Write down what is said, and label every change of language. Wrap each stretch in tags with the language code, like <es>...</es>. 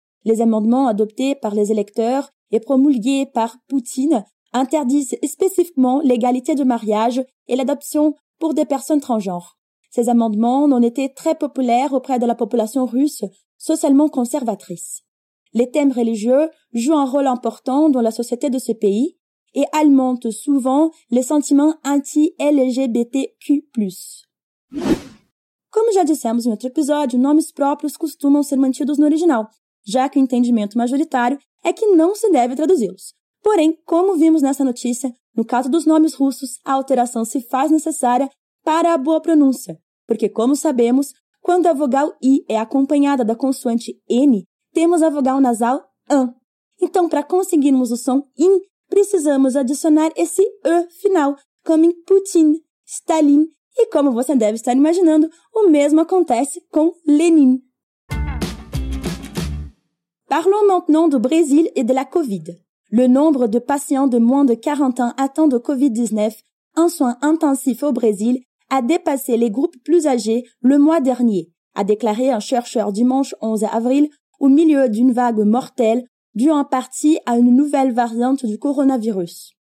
<fr>Les amendements adoptés par les électeurs et promulgués par Poutine interdisent spécifiquement l'égalité de mariage et l'adoption pour des personnes transgenres. Ces amendements ont été très populaires auprès de la population russe socialement conservatrice. Les thèmes religieux jouent un rôle important dans la société de ce pays et alimentent souvent les sentiments anti-LGBTQ+.</fr> <pt>Como já dissemos em outro episódio, nomes próprios costumam ser mantidos no original, já que o entendimento majoritário é que não se deve traduzi-los. Porém, como vimos nessa notícia, no caso dos nomes russos, a alteração se faz necessária para a boa pronúncia. Porque, como sabemos, quando a vogal I é acompanhada da consoante N, temos a vogal nasal AN. Então, para conseguirmos o som IN, precisamos adicionar esse E final, como em Putin, Stalin, e como você deve estar imaginando, o mesmo acontece com Lenin.</pt> <fr>Parlons maintenant du Brésil et de la COVID. Le nombre de patients de moins de 40 ans atteints de COVID-19 en soins intensifs au Brésil a dépassé les groupes plus âgés le mois dernier, a déclaré un chercheur dimanche 11 avril au milieu d'une vague mortelle due en partie à une nouvelle variante du coronavirus.</fr>